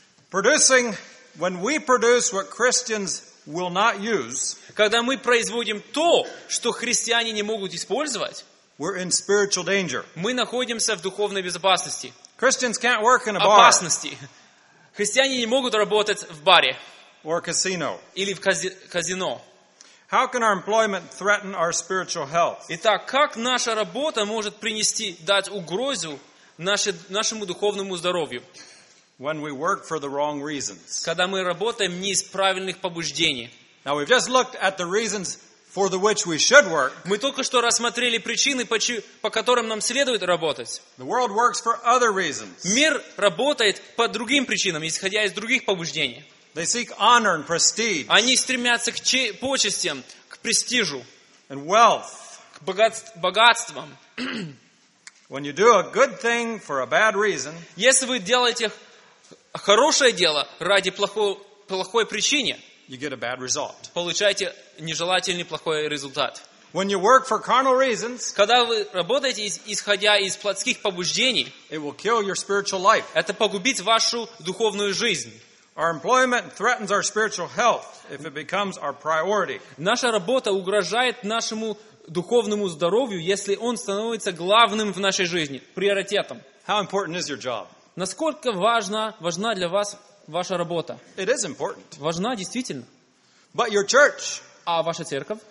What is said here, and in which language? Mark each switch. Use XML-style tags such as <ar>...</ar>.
<en>Producing, when we produce what Christians will not use,</en> <ru>когда мы производим то, что христиане не могут использовать,</ru> <en>we're in spiritual danger.</en> <ru>Мы находимся в духовной безопасности.</ru> <en>Christians can't work in a bar.</en> <ru>Опасности. Христиане не могут работать в баре.</ru> <en>Or casino.</en> <ru>Или в казино.</ru> <en>How can our employment threaten our spiritual health?</en> <ru>Итак, как наша работа может принести, дать угрозу нашему духовному здоровью?</ru> <en>When we work for the wrong reasons.</en> <ru>Когда мы работаем не из правильных побуждений.</ru> <en>Now we've just looked at the reasons for the which we should work.</en> <ru>Мы только что рассмотрели причины, по которым нам следует работать.</ru> <en>The world works for other reasons.</en> <ru>Мир работает по другим причинам, исходя из других побуждений.</ru> <en>They seek honor and prestige.</en> <ru>Они стремятся к почестям, к престижу.</ru> <en>And wealth.</en> <ru>К богатствам.</ru> <en>When you do a good thing for a bad reason.</en> <ru>Если вы делаете хорошее дело ради плохой причины,</ru> <en>you get a bad result.</en> <ru>Получаете нежелательный плохой результат.</ru> <en>When you work for carnal reasons,</en> <ru>когда вы работаете исходя из плотских побуждений,</ru> <en>it will kill your spiritual life.</en> <ru>Это погубит вашу духовную жизнь.</ru> <en>Our employment threatens our spiritual health if it becomes our priority.</en> <ru>Наша работа угрожает нашему духовному здоровью, если он становится главным в нашей жизни, приоритетом.</ru> <en>How important is your job?</en> <ru>Насколько важна для вас ваша работа?</ru> <en>It is important.</en> <ru>Важна действительно.</ru> <en>But your church?</en> <ru>А ваша церковь?</ru>